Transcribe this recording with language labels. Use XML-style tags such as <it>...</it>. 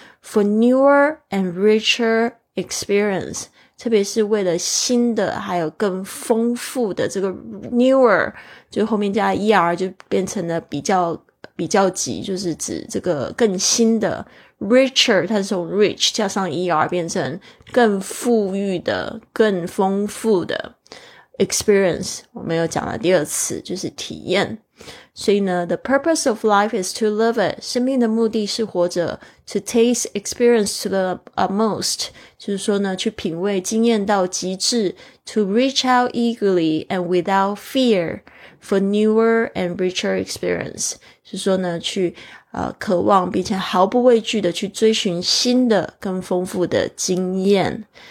<en>For newer and richer experience，</en> <zh>特别是为了新的还有更丰富的，这个 newer 就后面加 er 就变成了比较级，就是指这个更新的。 richer 它是从 rich 加上 er 变成更富裕的、更丰富的。 experience 我们有讲了第二次，就是体验。所以呢</zh> <en>the purpose of life is to live it，</en> <zh>生命的目的是活着。</zh> <en>to taste experience to the utmost，</en> <zh>就是说呢去品味经验到极致。</zh> <en>to reach out eagerly and without fear for newer and richer experience，</en> <zh>就是说呢去渴望并且毫不畏惧的去追寻新的更丰富的经验。</zh>